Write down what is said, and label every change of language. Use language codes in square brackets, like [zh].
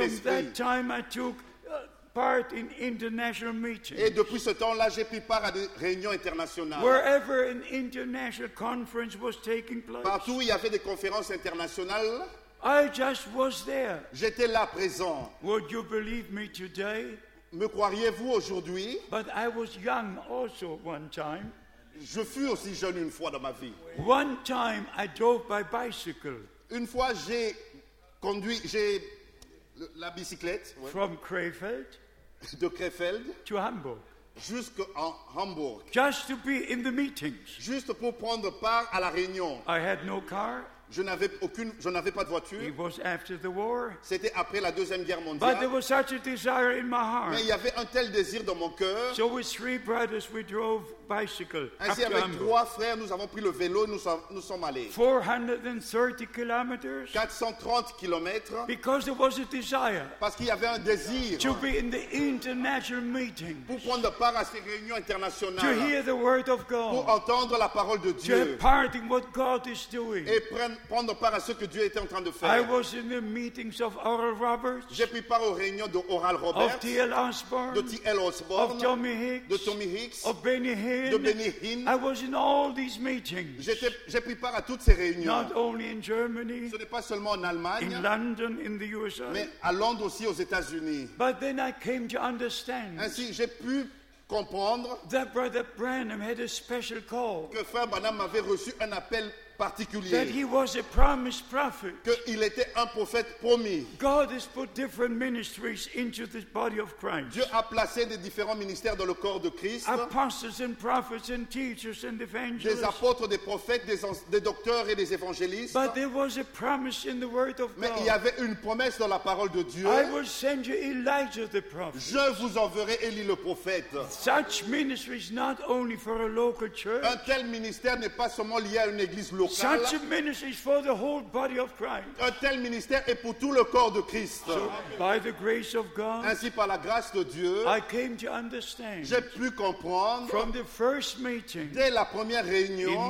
[en] And from that time, I took part in international meetings. [fr] Et depuis ce temps-là, j'ai pris part à des réunions internationales. [en] Wherever an international conference was taking place. [fr] Partout où il y avait des conférences internationales. [en] I just was there. [fr] J'étais là présent. [en] Would you believe me today? [fr] Me croiriez-vous aujourd'hui? [en] But I was young also one time. [fr] Je fus aussi jeune une fois dans ma vie. [en] One time I drove by bicycle. [fr] Une fois j'ai conduit, j'ai la bicyclette, ouais. [en] From Krefeld, [fr] de Krefeld [en] to Hamburg, [fr] jusqu'en Hamburg, [en] just to be in the meetings, [fr] juste pour prendre part à la réunion. [en] I had no car. [fr] Je n'avais pas de voiture. [en] It was after the war. [fr] C'était après la Deuxième Guerre mondiale. [en] But there was such a desire in my heart. [fr] Mais il y avait un tel désir dans mon cœur. [en] So with three brothers, we drove bicycle. [fr] Ainsi, avec trois frères, nous avons pris le vélo et nous sommes allés. [en] 430 kilometers. [fr] 430 kilomètres. [en] Because there was a desire. [fr] Parce qu'il y avait un désir. [en] To be in the international meeting. [fr] Pour prendre part à ces réunions internationales. [en] To hear the word of God. [fr] Pour entendre la parole de Dieu. [en] To be part in what God is doing. [fr] Et prendre prendre part à ce que Dieu était en train de faire. [en] I was in the meetings of Oral Roberts. [fr] J'ai pris part aux réunions de Oral Roberts, [en] of T.L. Osborne, [fr] de T.L. Osborne, [en] of Tommy Hicks, [fr] de Tommy Hicks, [en] of Benny Hinn, [fr] de Benny Hinn. [en] I was in all these meetings. [fr] J'ai pris part à toutes ces réunions. [en] Not only in Germany. [fr] Ce n'est pas seulement en Allemagne. [en] In London, in the USA. [fr] Mais à Londres aussi, aux États-Unis. [en] But then I came to understand. [fr] Ainsi, j'ai pu comprendre [en] that Brother Branham had a special call. [fr] Que Frère Branham avait reçu un appel particulier. [en] That he was a promised prophet. [fr] Que il était un prophète promis. [en] God has put different ministries into the body of Christ. [fr] Dieu a placé des différents ministères dans le corps de Christ. [en] Apostles and prophets and teachers and evangelists. [fr] Des apôtres, des prophètes, des docteurs et des évangélistes. [en] But there was a promise in the word of God. [fr] Mais il y avait une promesse dans la parole de Dieu. [en] I will send you Elijah the prophet. [fr] Je vous enverrai Élie le prophète. [en] Such ministry is not only for a local church. [fr] Un tel ministère n'est pas seulement lié à une église. [en] Such a ministry is for the whole body of Christ. [fr] Un tel ministère est pour tout le corps de Christ. [en] So, by the grace of God, [fr] ainsi par la grâce de Dieu, [en] I came to understand. [fr] J'ai pu comprendre. [en] From the first meeting, [fr] dès la première réunion,